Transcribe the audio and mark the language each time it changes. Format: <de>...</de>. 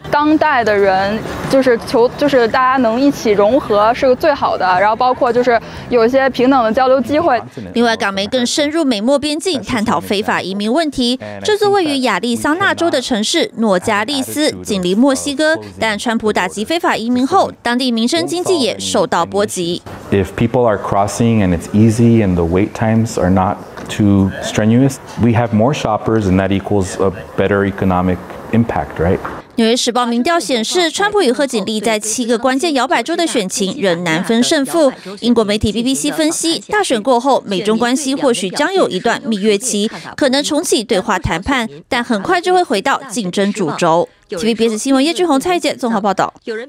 <zh>当代的人就是大家能一起融合是个最好的，然后包括就是有一些平等的交流机会。另外，港媒更深入美墨边境，探讨非法移民问题。这座位于亚利桑那州的城市诺加利斯紧邻墨西哥，但川普打击非法移民后，当地民生经济也受到波及。</zh> <en>If people are crossing and it's easy and the wait times are not too strenuous, we have more shoppers and that equals a better economic impact, right?</en> <zh>纽约时报民调显示，川普与贺锦丽在七个关键摇摆州的选情仍难分胜负。英国媒体 BBC 分析，大选过后，美中关系或许将有一段蜜月期，可能重启对话谈判，但很快就会回到竞争主轴。 TVBS 新闻叶俊宏、蔡姐综合报道。有人</zh>